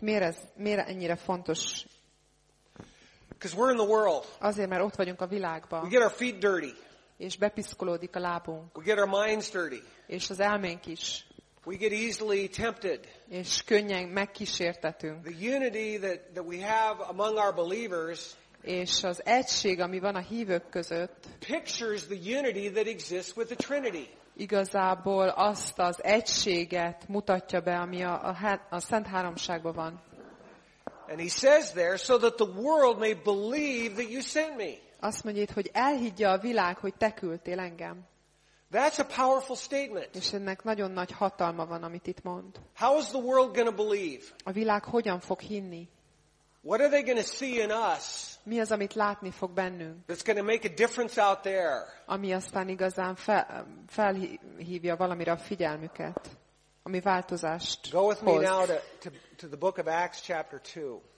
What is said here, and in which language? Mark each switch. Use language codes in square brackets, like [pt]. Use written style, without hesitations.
[hu] Miért ennyire fontos? [en] Because we're in the world. [hu] Azért, mert ott vagyunk a világban. [en] We get our feet dirty. [hu] És bepiszkolódik a lábunk. [en] We get our minds dirty. [hu] És az elménk is. [en] We get easily tempted. [hu] És könnyen megkísértetünk. [en] The unity that we have among our believers. [hu] És az egység, ami van a hívők között. [en] Pictures the unity that exists with the Trinity. [hu] Igazából azt az egységet mutatja be, ami a Szent Háromságban van. [en] And he says there, so that the world may believe that you sent me. [hu] Azt mondja itt, hogy elhiggye a világ, hogy Te küldtél engem. [en] That's a powerful statement. [hu] És ennek nagyon nagy hatalma van, amit itt mond. [en] How is the world going to believe? [hu] A világ hogyan fog hinni? [en] What are they going to see in us? [hu] Mi az, amit látni fog bennünk? [en] That's going to make a difference out there. [hu] Ami aztán igazán felhívja valamire a figyelmüket, ami változást hoz. [en] Go with me now to the book of Acts chapter 2.